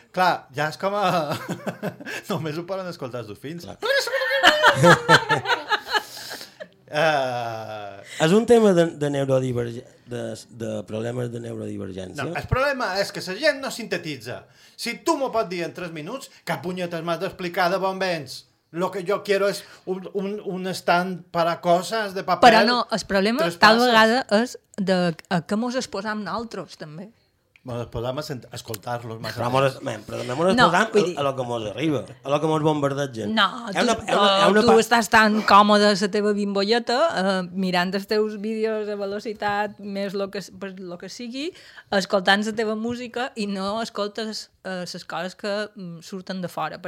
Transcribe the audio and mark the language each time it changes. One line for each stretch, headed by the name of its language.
Catalan: Clar, ja és com a... només ho poden escoltar els dofins. És un tema de de problemes de neurodivergència. No, el problema és que la gent no sintetitza. Si tu m'ho pots dir en 3 minuts, que punyetes m'has d'explicar de bon vens.
Spanish: Lo que yo quiero es un stand para cosas de papel.
Catalan: Però no, el problema tal vegada és de que mos exposam nosaltres també. Mos exposam a escoltar-los més. Però també mos exposam a lo que mos arriba, a lo que mos bombardeja. No, tu estàs tan còmode a la teva bimbolleta, mirant els teus vídeos de velocitat, més lo que sigui, escoltant la teva música i no escoltes les coses que surten de fora.